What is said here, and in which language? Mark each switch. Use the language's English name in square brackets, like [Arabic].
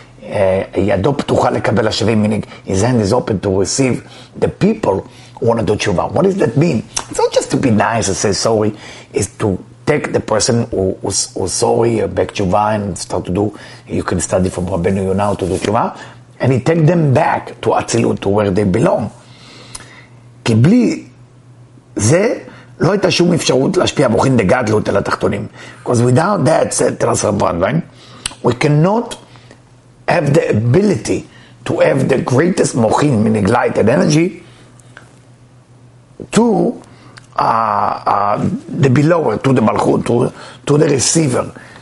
[English] Yado ptukha lekabel ashavim, meaning his hand is open to receive the people who want to do tshuva. What does that mean? It's not just to be nice and say sorry. Is to take the person who's sorry, back tshuva, and start to do, you can study from Rabbeinu Yonah to do tshuva, and he take them back to Atzilut, to where they belong. [Hebrew] כי בלי זה, לא הייתה שום אפשרות להשפיע מוחין דגדלות על התחתונים. [English] Because without that, said Tzvi Brandwein, we cannot have the ability to have the greatest מוחין, meaning light and energy, to the belower, to the malchut, to the receiver.